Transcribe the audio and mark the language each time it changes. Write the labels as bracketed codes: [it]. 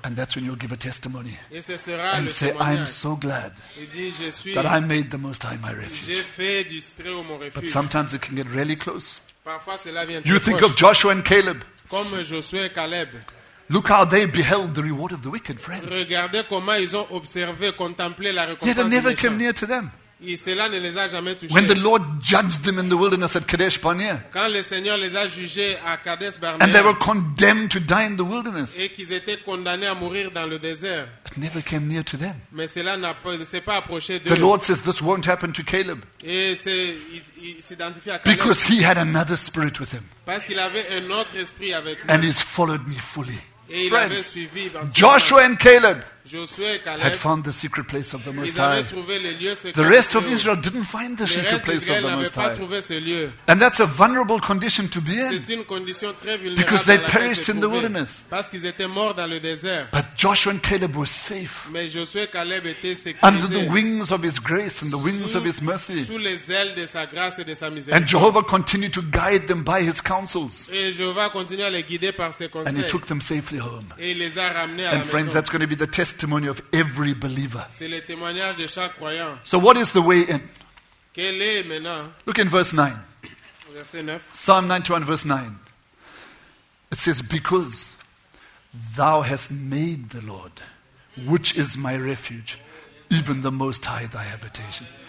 [en] And that's when you'll give a testimony. [fr] Et ce sera [en] and [fr] le [en] say, [fr] témoignage. [en] I'm so glad [fr] Et dis, je suis [en] that I made the Most High my refuge. [fr] J'ai fait du très haut mon refuge. [en] But sometimes it can get really close. [fr] Parfois, cela vient [en] you think [fr] proche. [en] Of Joshua and Caleb. [fr] Comme Josué et Caleb. [en] Look how they beheld the reward of the wicked, friends. [fr] Regardez comment ils ont observé, contemplé la récompense. [en] Yet it never came near to them. [fr] Et cela ne les a jamais touchés. [en] When the Lord judged them in the wilderness at Kadesh Barnea. [fr] Quand le Seigneur les a jugés à Kadesh Barnea. [en] And they were condemned to die in the wilderness. [fr] Et qu'ils étaient condamnés à mourir dans le désert. [en] It never came near to them. [fr] Mais cela ne s'est pas approché d'eux. [en] The Lord says this won't happen to Caleb. [fr] Et il s'identifie à Caleb. [en] Because he had another spirit with him. [fr] Parce qu'il avait un autre esprit avec lui. [en] And he's followed me fully. [fr] Et il [en] Friends, [fr] avait suivi [en] Joshua and Caleb [fr] Joshua et Caleb [en] had found the secret place of the Most High. The rest of Israel didn't find the secret place of the Most High. And that's a vulnerable condition to be in. [fr] C'est une condition très vulnérable [en] because they perished in the wilderness. [fr] Parce qu'ils étaient morts dans le désert. [en] But Joshua and Caleb were safe. [fr] Mais Joshua et Caleb étaient sécurisés. [en] Under the wings of his grace and the wings of his mercy. [fr] Sous les ailes de sa grâce et de sa miséricorde. [en] And Jehovah continued to guide them by his counsels. [fr] Et Jehovah continuait à les guider par ses conseils. [en] And he took them safely home. [fr] Et il les a ramenés [en] and friends, that's going to be the testimony of every believer. [fr] C'est le témoignage de chaque croyant. [en] So what is the way in? [fr] Quel est maintenant? [en] Look in verse 9. [fr] Verset 9. [en] Psalm 91 verse 9. It says, because thou hast made the Lord, which is my refuge, even the Most High thy habitation.